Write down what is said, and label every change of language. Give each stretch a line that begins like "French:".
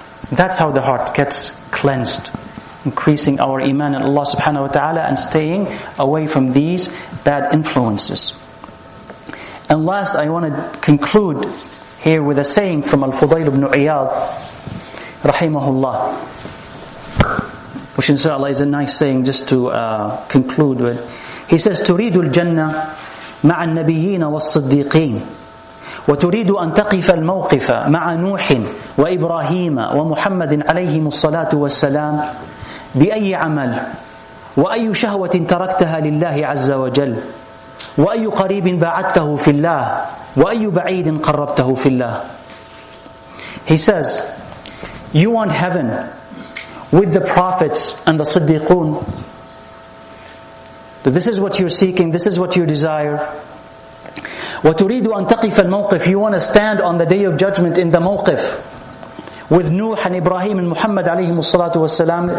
English: That's how the heart gets cleansed. Increasing our iman in Allah subhanahu wa ta'ala and staying away from these bad influences. And last, I want to conclude here with a saying from Al-Fudayl ibn Iyad, rahimahullah, which inshallah is a nice saying just to conclude with. He says,
Arabic: تريد الجنة مع النبيين والصديقين وتريد أن تقف الموقف مع نوح وإبراهيم ومحمد عليهم الصلاة والسلام بأي عمل وأي شهوة تركتها لله عز وجل وأي قريب بعدته في الله وأي بعيد قربته في الله.
English: He says, you want heaven with the prophets and the Siddiqun. This is what you're seeking, this is what you desire.
Arabic: وتريد أن تقف الموقف.
English: You want to stand on the day of judgment in the mawqif with Nuh and Ibrahim and Muhammad alayhi salatu wasalam.